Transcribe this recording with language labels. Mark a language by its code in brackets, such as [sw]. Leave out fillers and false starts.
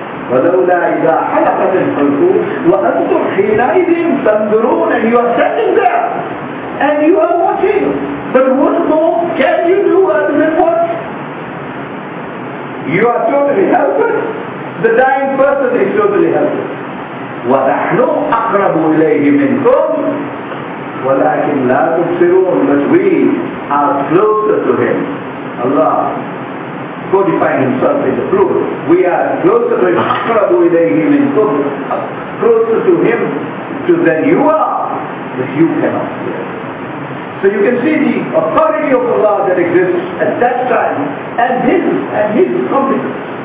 [ar] وَلَوْلَا إِذَا حَلَقَتِ الْحُلْقُونَ وَأَنْتُمْ حِينَئِذٍ تَنْظُرُونَ [en] And you are standing there, and you are watching. But what more can you do other than what? You are totally helpless. The dying person is totally helpless. [ar] وَنَحْنُ أَقْرَبُ إِلَيْهِ مِنْكُمْ وَلَكِنْ لَا تُبْصِرُونَ [en] But we are closer to him. Allah codifying himself in the plural. We are closer to him. [ar] أَقْرَبُ إِلَيْهِ مِنْكُمْ [en] Closer to him to than you are. But you cannot hear. So you can see the authority of Allah that exists at that time and his competence.